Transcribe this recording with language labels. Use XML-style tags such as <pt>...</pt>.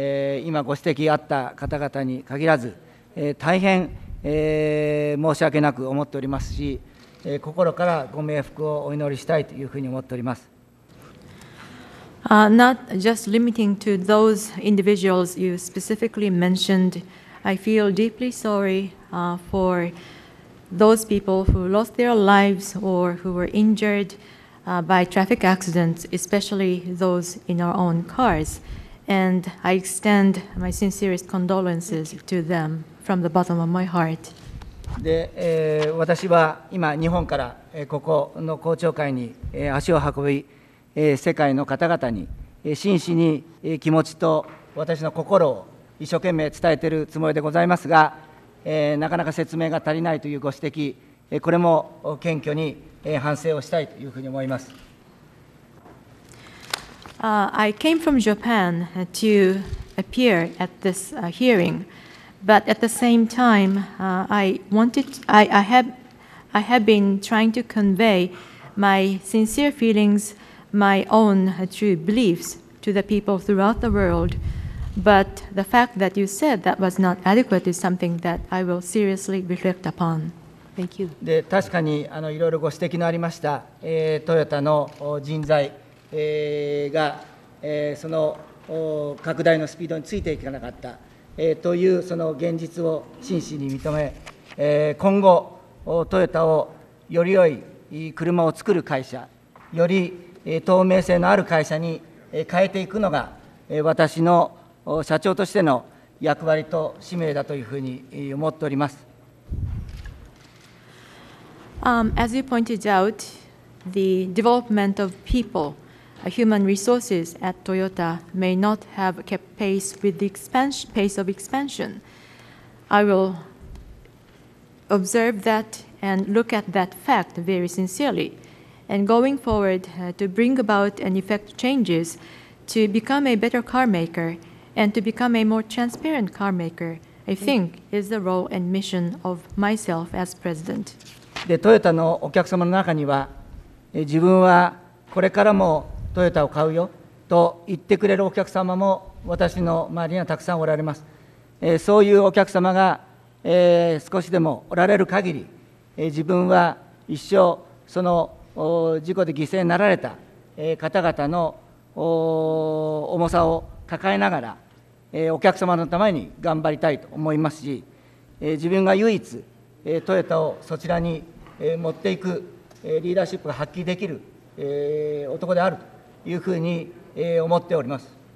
<ja>交通事故で、しかも私どもの車で、そうやって命なくされた方、怪我をされた方、今ご指摘あった方々に限らず、大変申し訳なく思っておりますし、心からご冥福をお祈りしたいというふうに思っております。</ja> <en>Not just limiting to those individuals you specifically mentioned, I feel deeply sorry for those people who lost their lives or who were injured by traffic accidents, especially those in our own cars. And I extend my sincerest condolences to them from the bottom of my heart.</en> <ja>で、私は今日本からここの公聴会に足を運び、世界の方々に真摯に気持ちと私の心を一生懸命伝えているつもりでございますが、なかなか説明が足りないというご指摘、これも謙虚に反省をしたいというふうに思います。</ja> <en>I came from Japan to appear at this hearing, but at the same time, I have been trying to convey my sincere feelings, my own true beliefs to the people throughout the world. But the fact that you said that was not adequate is something that I will seriously reflect upon. Thank you.</en> <ja>で、確かにいろいろご指摘のありました、トヨタの人材、が、その拡大のスピードについていかなかった、というその現実を真摯に認め、今後トヨタをより良い車を作る会社、より透明性のある会社に変えていくのが私の社長としての役割と使命だというふうに思っております。</ja> <en>As you pointed out, the development of people, human resources at Toyota may not have kept pace with the pace of expansion. I will observe that and look at that fact very sincerely. And going forward, to bring about and effect changes to become a better car maker and to become a more transparent car maker, I think is the role and mission of myself as president.</en> <ja>で、トヨタのお客様の中には、自分はこれからもトヨタを買うよと言ってくれるお客様も私の周りにはたくさんおられます。そういうお客様が、少しでもおられる限り、自分は一生その事故で犠牲になられた方々の重さを抱えながらお客様のために頑張りたいと思いますし、自分が唯一トヨタをそちらに持っていくリーダーシップが発揮できる男であるというふうに思っております。</ja>